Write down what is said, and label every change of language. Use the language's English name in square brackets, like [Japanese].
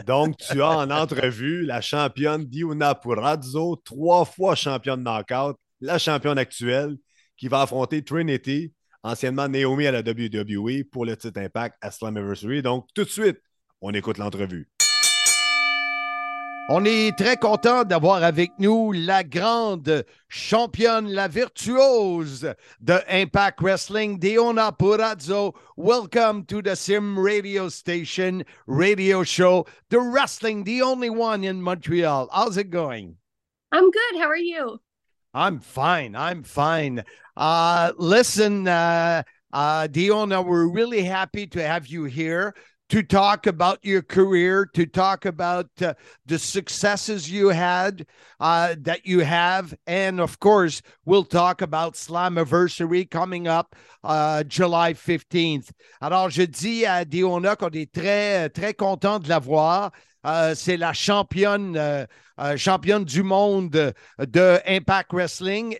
[French] Donc, tu as en entrevue la championne Diona Purrazzo, trois fois championne knockout, la championne actuelle, qui va affronter Trinity, anciennement Naomi à la WWE, pour le titre Impact à Slammiversary. Donc, tout de suite, on écoute l'entrevue. On est très content d'avoir avec nous la grande championne, la virtuose de Impact Wrestling, Diona Purrazzo. [English] Welcome to the Sim Radio Station Radio Show, the wrestling, the only one in Montreal. How's it going? I'm good. How are you? I'm fine. I'm fine. Listen, Diona, we're really happy to have you here. To talk about your career, to talk about the successes you had, that you have. And, of course, we'll talk about Slammiversary coming up July 15th. [French] Alors, je dis à Diona qu'on est très, très content de la voir. C'est la championne, championne du monde de Impact Wrestling.